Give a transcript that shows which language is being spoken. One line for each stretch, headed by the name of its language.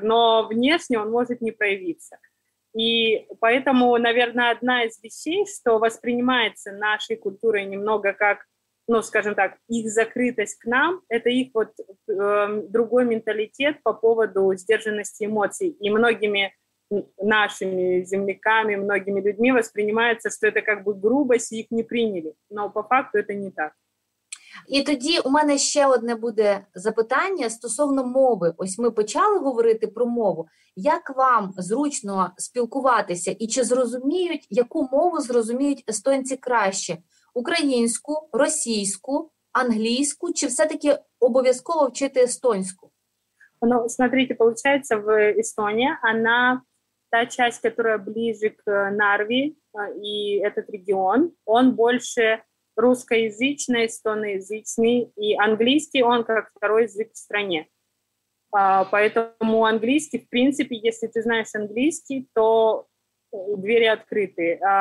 Russian: Но внешне он может не проявиться. И поэтому, наверное, одна из вещей, что воспринимается нашей культурой немного как, ну, скажем так, их закрытость к нам, это их вот другой менталитет по поводу сдержанности эмоций. И многими нашими земляками, многими людьми воспринимается, что это как бы грубость, их не приняли. Но по факту это не так.
Ukrainian: І тоді у мене ще одне буде запитання стосовно мови. Ось ми почали говорити про мову. Як вам зручно спілкуватися? І чи зрозуміють, яку мову зрозуміють естонці краще? Українську, російську, англійську? Чи все-таки обов'язково вчити естонську?
Russian: Ну, смотрите,
Ukrainian: виходить, в Естонії вона
Russian: та часть, которая ближе к Нарве и этот регион, он больше русскоязычный, эстоноязычный, и английский он как второй язык в стране. Поэтому английский, в принципе, если ты знаешь английский, то двери открыты.